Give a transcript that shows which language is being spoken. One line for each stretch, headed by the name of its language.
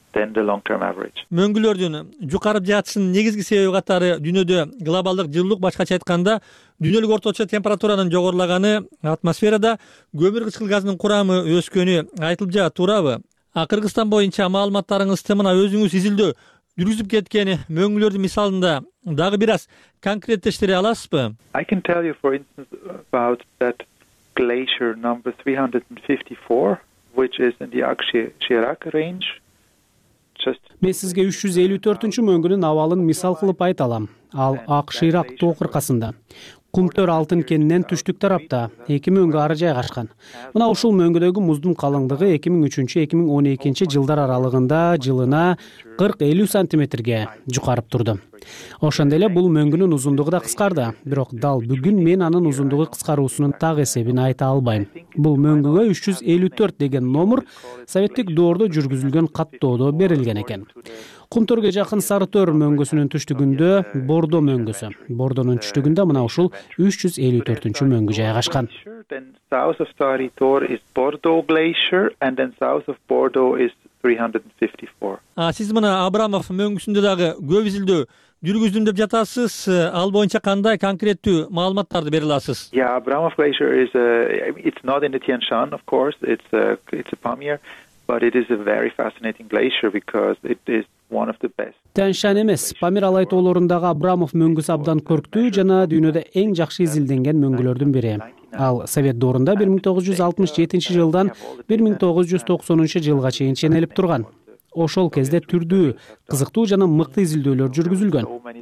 Kyrgyz: Мөңгүлөрдүн жукарып жатышынын негизги себеби катары дүйнөдө глобалдык жылуулук, башкача айтканда дүйнөлүк орточо температуранын жогорулаганы, атмосферада көмүр кычкыл газынын курамы өскөнү айтылып жатат, туурабы? А Кыргызстан боюнча маалыматтарыңыз тымына өзүңүз изилдөө жүргүзүп кеткен мөңгүлөрдүн мисалында дагы бир аз конкреттештире аласызбы?
English: I can tell you for instance about that glacier number 354 which is in the Akshi-Shirak range.
Kyrgyz: Мен сизге 354-чү мөңгүнүн абалын мисал кылып айта алам. Ал Акшыйрак тоо кыркасында, Кумтөр алтын кенинен түштүк тарапта, эки мөңгү ары жайгашкан. Мына ушул мөңгүдөгү муздун калыңдыгы 2003-2012 жылдар аралыгында жылына 40-50 сантиметрге жукарып турду. Ошондой эле бул мөңгүнүн узундугу да кыскарды, бирок дал бүгүн мен анын узундугу кыскаруусунун так эсебин айта албайм. Бул мөңгүгө 354 деген номер советтик доордо жүргүзүлгөн каттоодо берилген экен. Кумтөргө жакын Сары Төр мөңгүсүнүн түштүгүндө Бордо мөңгүсү. Бордонун түштүгүндө мына ушул 354-чү мөңгү жайгашкан. А сиз мына Абрамов мөңгүсүндө дагы көп изилдөө жүргүздүм деп жатасыз. Ал боюнча кандай конкреттүү маалыматтарды бере аласыз?
English: Yeah, Abramov glacier is it's not in the Tian Shan of course. It's a Pamir, but it is a very fascinating glacier because it is one of the best.
Kyrgyz: Тянь-Шан эмес, Памир Алай тоолорундагы Абрамов мөңгүсү абдан көрктүү жана дүйнөдө эң жакшы изилденген мөңгүлөрдүн бири. Ал совет доорунда 1967 жылдан 1990 жылга чейин ченелип турган. Ошол кезде түрдүү, кызыктуу жана мыкты изилдөөлөр жүргүзүлгөн.